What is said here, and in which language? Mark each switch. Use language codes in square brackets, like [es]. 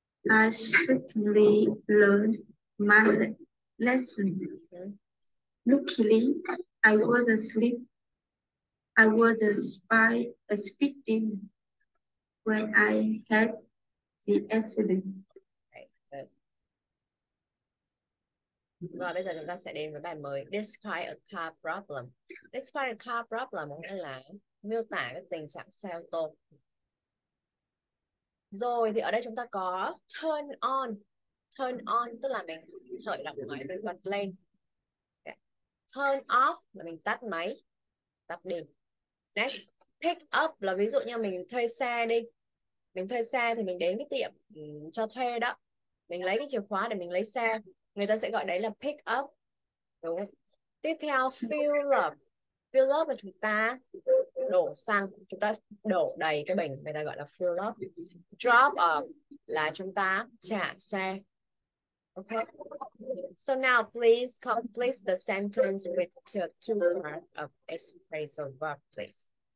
[en] I certainly learned my lesson. Luckily, I was asleep. I was speeding when I had the accident. [vi] Rồi bây giờ chúng ta sẽ đến với bài mới. [en] Describe a car problem. [vi] Describe a car problem có nghĩa là miêu tả cái tình trạng xe ô tô. Rồi thì ở đây chúng ta có turn on. Turn on tức là mình khởi động máy, mình bật lên. Turn off là mình tắt máy, tắt đi. Next, pick up là ví dụ như mình thuê xe đi. Mình thuê xe thì mình đến cái tiệm cho thuê đó. Mình lấy cái chìa khóa để mình lấy xe. Người ta sẽ gọi đấy là pick up. Đúng không? Tiếp theo, fill up. Fill up là chúng ta đổ xăng. Chúng ta đổ đầy cái bình. Người ta gọi là fill up. Drop up là chúng ta trả xe. [en] Okay. So now, please complete the sentence with the two part of expressive verb, please.